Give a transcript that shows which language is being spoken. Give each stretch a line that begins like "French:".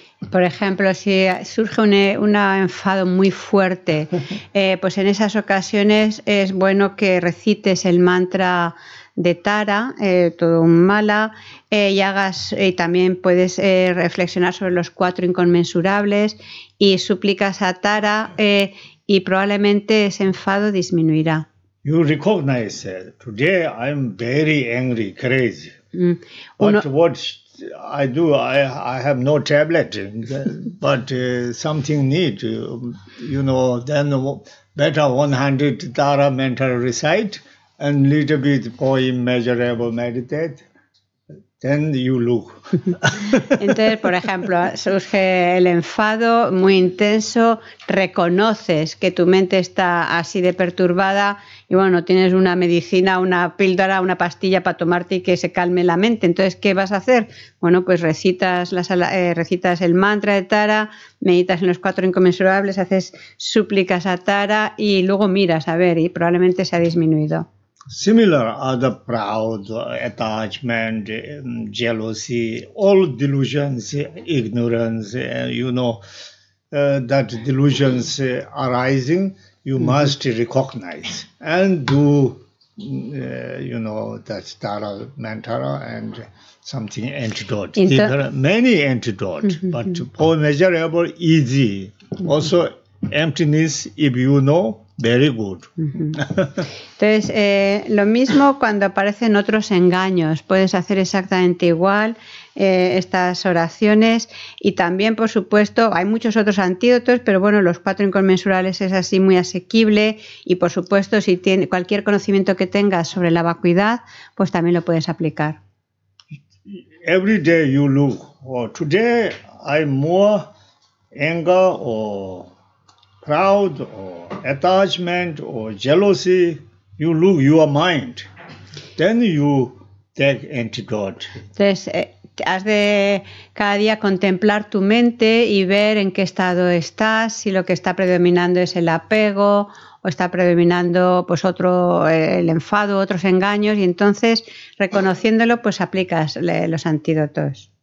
Spanish: Por ejemplo, si surge un enfado muy fuerte, pues en esas ocasiones es bueno que recites el mantra de Tara, todo un mala, y hagas y también puedes reflexionar sobre los cuatro inconmensurables y suplicas a Tara y probablemente ese enfado disminuirá.
English: You recognize that today I'm very angry, crazy. I have no tablet, but something need, you know, then better 100 Tara mental recite and little bit for immeasurable meditate, then you look.
Spanish: Entonces, por ejemplo, surge el enfado muy intenso, reconoces que tu mente está así de perturbada y bueno, tienes una medicina, una píldora, una pastilla para tomarte y que se calme la mente. Entonces, ¿qué vas a hacer? Bueno, pues recitas el mantra de Tara, meditas en los cuatro inconmensurables, haces súplicas a Tara y luego miras a ver y probablemente se ha disminuido.
English: Similar are the proud, attachment, jealousy, all delusions, ignorance, you know, that delusions arising, you mm-hmm. must recognize and do, you know, that Tara Mantara and something antidote. There are many antidote, mm-hmm. but poor measurable, easy. Mm-hmm. Also, emptiness, if you know, very good.
Spanish: Entonces, lo mismo cuando aparecen otros engaños. Puedes hacer exactamente igual estas oraciones. Y también, por supuesto, hay muchos otros antídotos, pero bueno, los cuatro inconmensurables es así muy asequible. Y por supuesto, si tiene cualquier conocimiento que tengas sobre la vacuidad, pues también lo puedes aplicar.
English: Every day you look, today I'm more anger or proud or attachment or jealousy, you look your mind, then you take antidote.
Spanish: Entonces, has de cada día contemplar tu mente y ver en qué estado estás, si lo que está predominando es el apego o está predominando pues otro el enfado, otros engaños, y entonces reconociéndolo pues aplicas los antídotos.